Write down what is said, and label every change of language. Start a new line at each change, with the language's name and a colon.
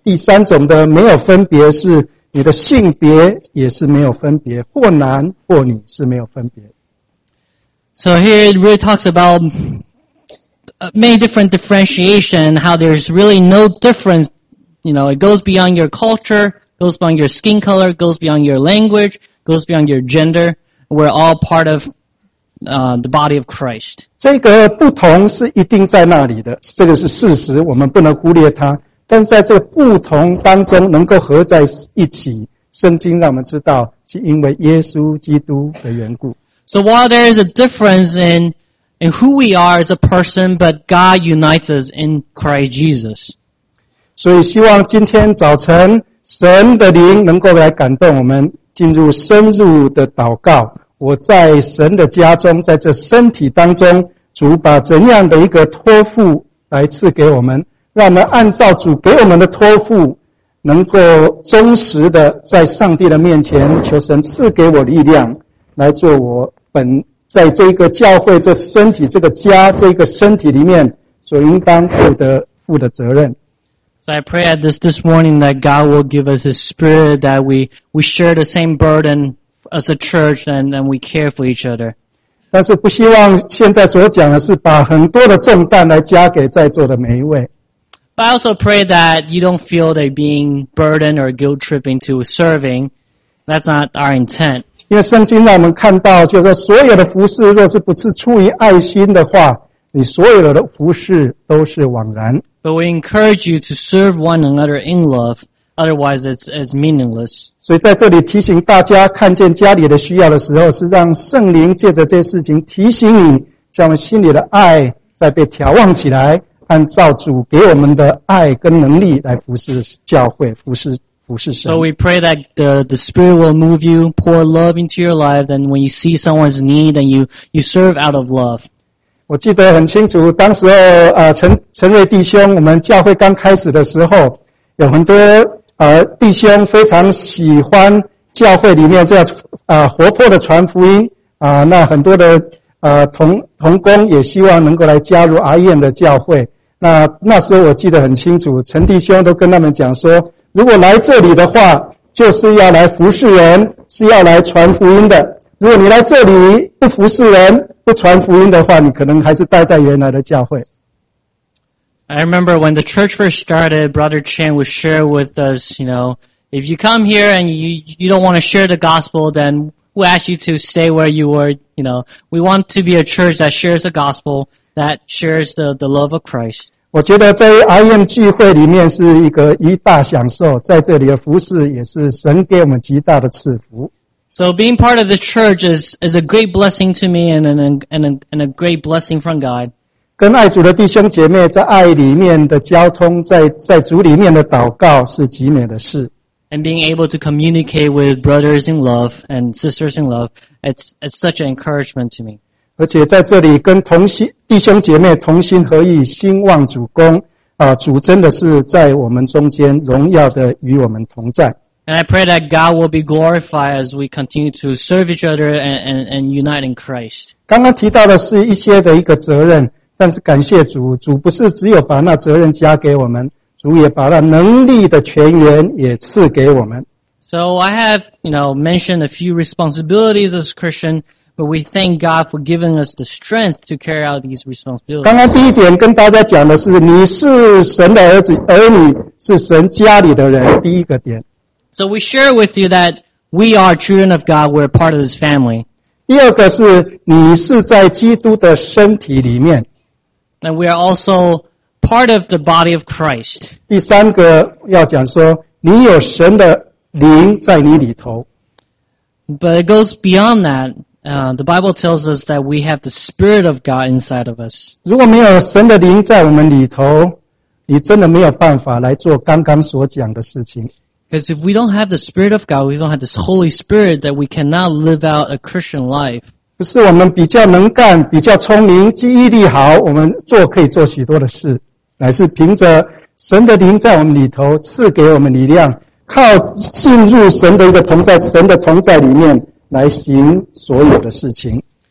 Chinese: 第三种的没有分别是。你的性别也是没有分别，或男或女是没有分别。
English: So here it really talks about many different differentiation, how there's really no difference. You know, it goes beyond your culture, goes beyond your skin color, goes beyond your language, goes beyond your gender. We're all part of the body of Christ.
Chinese: 这个不同是一定在那里的，这个是事实，我们不能忽略它。但是在这不同当中能够合在一起，圣经让我们知道是因为耶稣基督的缘故。
English: So while there is a difference in who we are as a person, but God unites us in Christ Jesus.
Chinese: 所以希望今天早晨神的灵能够来感动我们，进入深入的祷告，我在神的家中，在这身体当中，主把怎样的一个托付来赐给我们，让我们按照主给我们的托付，能够忠实的在上帝的面前求神赐给我力量，来做我本在这个教会、这身体、这个家、这个身体里面所应当负的责任。
English: So I pray at this morning that God will give us His Spirit that we share the same burden as a church and then we care for each other.
Chinese: 但是不希望现在所讲的是把很多的重担来加给在座的每一位。
English: But I also pray that you don't feel that being burdened or guilt tripping to serving. That's not our intent.
Chinese: 因为圣经让我们看到，就是所有的服事若是不是出于爱心的话，你所有的服事都是枉然。
English: But we encourage you to serve one another in love, otherwise it's meaningless.
Chinese: 所以在这里提醒大家，看见家里的需要的时候，是让圣灵借着这些事情提醒你，叫我们心里的爱再被眺望起来，按照主给我们的爱跟能力来服侍教会，服侍神。
English: So we pray that the Spirit will move you, pour love into your life, and when you see someone's need, and you serve out of love.
Chinese: 我记得很清楚，当时陈瑞弟兄，我们教会刚开始的时候，有很多弟兄非常喜欢教会里面这样活泼的传福音那很多的同工也希望能够来加入 RM 的教会。那时候我记得很清楚，陈弟兄都跟他们讲说，如果来这里的话，就是要来服侍人，是要来传福音的。如果你来这里不服侍人，不传福音的话，你可能还是待在原来的教会。
English: I remember when the church first started, Brother Chan would share with us, you know, if you come here and you don't want to share the gospel, then we ask you to stay where you were, you know. We want to be a church that shares the gospel, that shares the love of Christ.
Chinese: 我觉得在 RM 聚会里面是一大享受，在这里的服事也是神给我们极大的赐福。
English: So being part of the church is a great blessing to me and a great blessing from God.
Chinese: 跟爱主的弟兄姐妹在爱里面的交通，在主里面的祷告是极美的事。
English: And being able to communicate with brothers in love and sisters in love, it's such an encouragement to me.
Chinese: 而且在这里跟同心弟兄姐妹同心合意，兴旺主工主真的是在我们中间，荣耀的与我们同在。
English: And I pray that God will be glorified as we continue to serve each other and unite in Christ.
Chinese: 刚刚提到的是一些的一个责任，但是感谢主，主不是只有把那责任加给我们，主也把那能力的全源也赐给我们。
English: So I have, you know, mentioned a few responsibilities as a Christian, but we thank God for giving us the strength to carry out these responsibilities.
Chinese: 刚刚第一点跟大家讲的是，你是神的儿子儿女，是神家里的人，第一个点。
English: So we share with you that we are children of God, we're part of this family.
Chinese: 第二个是你是在基督的身体里面。
English: And we are also part of the body of Christ.
Chinese: 第三个要讲说你有神的灵在你里头。
English: But it goes beyond that. The Bible tells us that we have the Spirit of God inside of us.
Chinese: 如果没有神的灵在我们里头，你真的没有办法来做刚刚所讲的事情。
English: Because if we don't have the Spirit of God, we don't have this Holy Spirit that we cannot live out a Christian life.
Chinese: 不是我们比较能干，比较聪明，记忆力好，我们做可以做许多的事，乃是凭着神的灵在我们里头赐给我们力量，靠进入神的一个同在，神的同在里面来行所有的事情。